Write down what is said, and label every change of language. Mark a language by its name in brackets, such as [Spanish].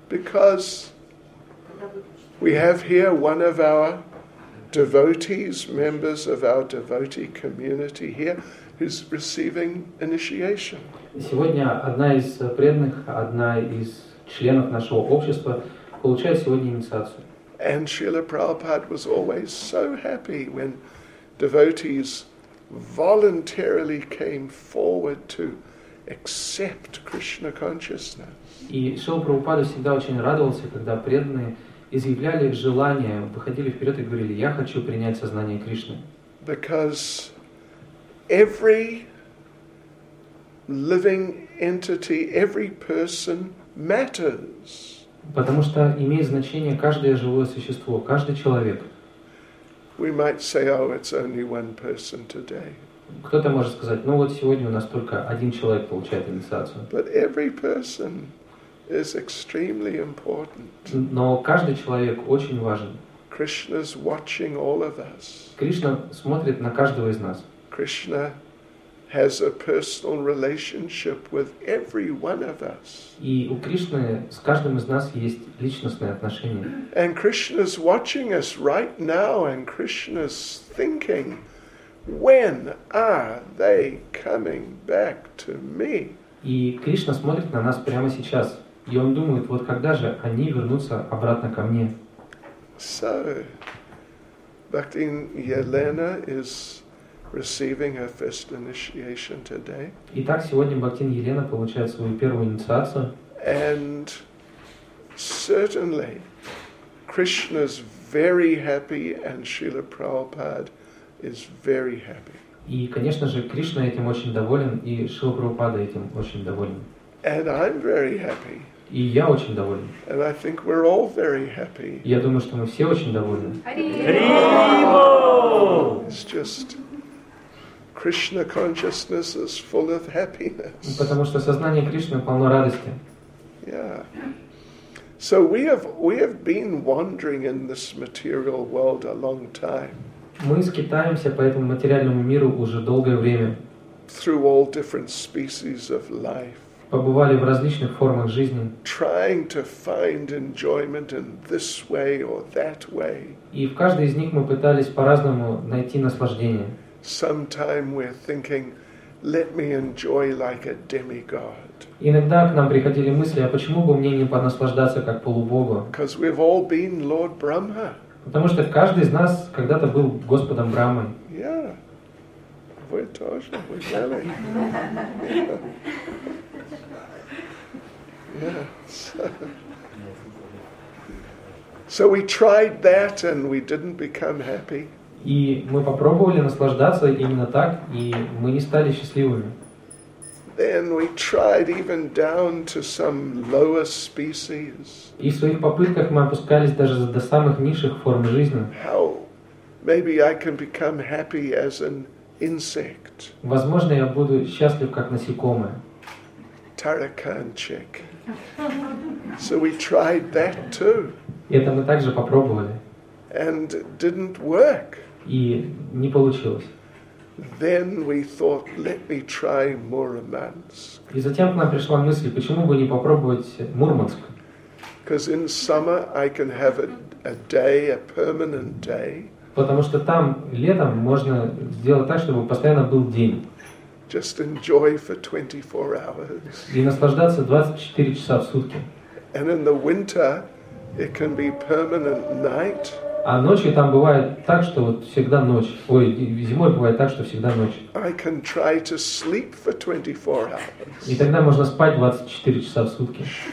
[English] Because we have here one of our devotees, members of our devotee community here, who's receiving initiation. [Russian] Сегодня одна из преданных, одна из членов нашего общества получает сегодня инициацию. [English] And Srila Prabhupada was always so happy when devotees voluntarily came forward to accept Krishna consciousness. [Russian] И Шрила Прабхупада всегда очень радовался, когда преданные изъявляли желание, выходили вперед и говорили: «Я хочу принять сознание Кришны». [English] Because every living entity, every person matters. [Russian] Потому что имеет значение каждое живое существо, каждый человек. [English] We might say, "Oh, it's only one person today." [Russian] Кто-то может сказать: "Ну вот сегодня у нас только один человек получает инициацию." [English] But every person is extremely important. [Russian] Но каждый человек очень важен. [English] Krishna's watching all of us. [Russian] Кришна смотрит на каждого из нас. [English] Krishna has a personal relationship with every one of us. [Russian] И у Кришны с каждым из нас есть личностные отношения. [English] And Krishna is watching us right now, and Krishna is thinking, when are they coming back to me? [Russian] И Кришна смотрит на нас прямо сейчас, и он думает: вот когда же они вернутся обратно ко мне? [English] So, Bhakti Yelena is receiving her first initiation today. [Russian] Итак, сегодня Бхактин Елена получает свою первую инициацию. [English] And certainly, Krishna's very happy, and Srila Prabhupada is very happy. [Russian] И, конечно же, Кришна этим очень доволен, и Шрила Прабхупада этим очень доволен. [English] And I'm very happy. [Russian] И я очень доволен. [English] And I think we're all very happy. [Russian] Я думаю, что мы все очень довольны. Хари-бо! [English] It's just Krishna consciousness is full of happiness. [Russian] Потому что сознание Кришны полно радости. [English] Yeah. So we have been wandering in this material world a long time. [Russian] Мы скитаемся по этому материальному миру уже долгое время. [English] Through all different species of life. [Russian] Побывали в различных формах жизни. [English] Trying to find enjoyment in this way or that way. [Russian] И в каждой из них мы пытались по-разному найти наслаждение. [English] Sometime we're thinking, let me enjoy like a demigod. [Russian] Иногда к нам приходили мысли: а почему бы мне не понаслаждаться как полубогу? [English] Because we've all been Lord Brahma. [Russian] Потому что каждый из нас когда-то был Господом Брахмой. Yeah, вы тоже, вы были. [English] So we tried that and we didn't become happy. [Russian] И мы попробовали наслаждаться именно так, и мы не стали счастливыми. [English] Then we tried even down to some lower species. [Russian] И в своих попытках мы опускались даже до самых низших форм жизни. [English] How maybe I can become happy as an insect. [Russian] Возможно, я буду счастлив как насекомое. [English] Tarakanchik. So we tried that too. [Russian] Это мы также попробовали. [English] And it didn't work. [Russian] И не получилось. [English] Then we thought, let me try Murmansk. [Russian] И затем к нам пришла мысль, почему бы не попробовать Мурманск? [English] Because in summer I can have a day, a permanent day. [Russian] Потому что там летом можно сделать так, чтобы постоянно был день. [English] Just enjoy for 24 hours. [Russian] И наслаждаться 24 часа в сутки. [English] And in the winter it can be permanent night. [Russian] А ночью там бывает так, что вот всегда ночь. Ой, зимой бывает так, что всегда ночь. [English] I can try to sleep for 24 hours. [Russian] И тогда можно спать 24 часа в сутки.